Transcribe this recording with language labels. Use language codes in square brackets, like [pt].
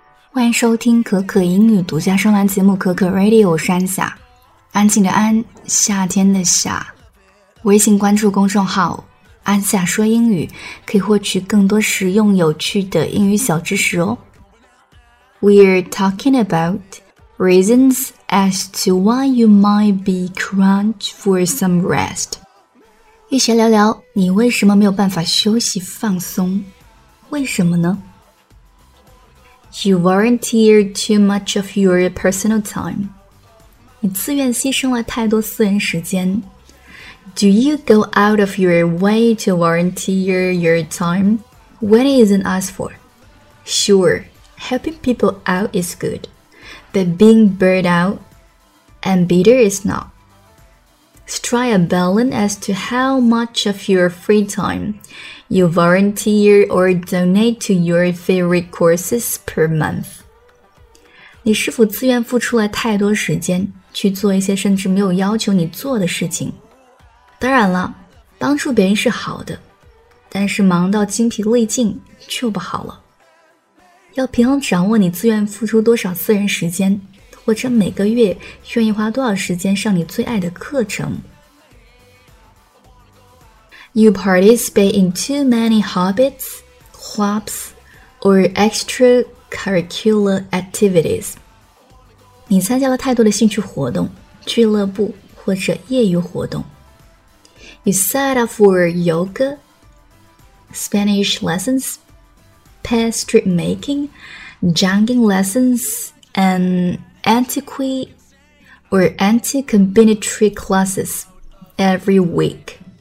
[zh] 欢迎收听可可英语独家声浪节目可可 Radio， 我是安夏，安静的安，夏天的夏。微信关注公众号安夏说英语，可以获取更多实用有趣的英语小知识哦。 [en] We're talking about reasons as to why you might be crunch for some rest. [zh] 一起聊聊你为什么没有办法休息放松，为什么呢？ [en] You volunteer too much of your personal time. [zh] 你自愿牺牲了太多私人时间。 [en] Do you go out of your way to volunteer your time when it isn't asked for? Sure, helping people out is good, but being burnt out and bitter is not. Strike a balance as to how much of your free time you volunteer or donate to your favorite courses per month. [zh] 你是否自愿付出了太多时间去做一些甚至没有要求你做的事情？当然了，帮助别人是好的，但是忙到精疲力尽就不好了。要平衡掌握你自愿付出多少私人时间，或者每个月愿意花多少时间上你最爱的课程。 [en] You participate in too many hobbies, clubs, or extracurricular activities. [zh] 你参加了太多的兴趣活动、俱乐部或者业余活动。 [en] You set up for yoga, Spanish lessons, pastry making, jogging lessons, and anti-combinatory classes every week.